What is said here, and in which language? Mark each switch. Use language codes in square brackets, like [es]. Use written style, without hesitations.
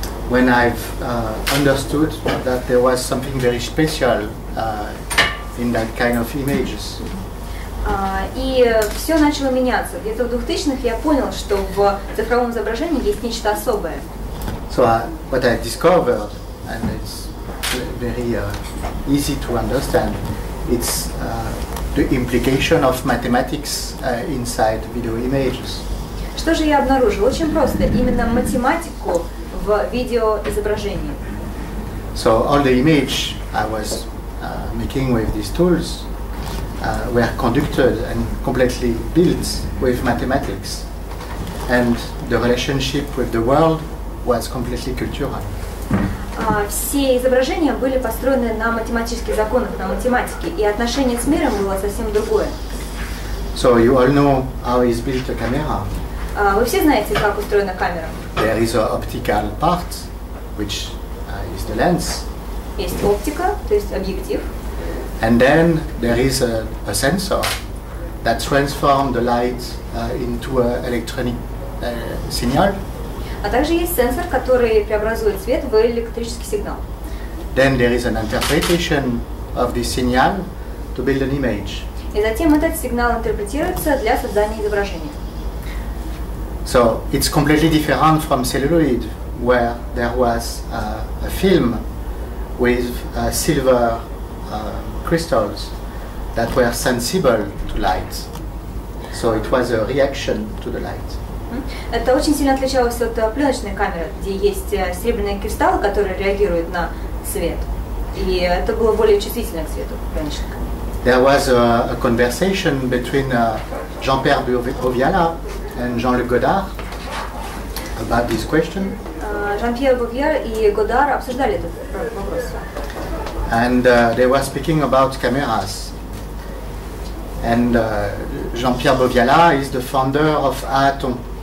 [en] When I've understood that there was something very special in that kind of images. [ru] И все начало меняться. Где-то в 2000-х я понял, что в цифровом изображении есть нечто особое. [en] So what I discovered, and it's very easy to understand, it's the implication of mathematics inside video images. [ru] Что же я обнаружил? Очень просто. Именно математику в видеоизображении. [en] So all the image I was making with these tools were conducted and completely built with mathematics, and the relationship with the world was completely cultural. [ru] Все изображения были построены на математических законах, на математике, и отношение с миром было совсем другое. [en] So you all know how is built a camera. [ru] Вы все знаете, как устроена камера. [en] There is an optical part, which is the lens. [ru] Есть оптика, то есть объектив. [en] And then there is a sensor that transforms the light into an electronic signal. [ru] А также есть сенсор, который преобразует свет в электрический сигнал. [en] Then there is an interpretation of this signal to build an image. [ru] И затем этот сигнал интерпретируется для создания изображения. [en] So it's completely different from celluloid, where there was a film with silver crystals that were sensible to light. So it was a reaction to the light. [ru] Это очень сильно отличалось от пленочной камеры, где есть серебряные кристаллы, которые реагируют на свет. И это было более чувствительно к свету пленочной камеры. [en] There was a conversation between Jean-Pierre Bouviala and Jean Luc Godard about this question. [ru] Jean-Pierre Bouvier и Godard обсуждали этот вопрос. [en] And they were speaking about cameras. And Jean-Pierre Bouviala is the founder of Atom.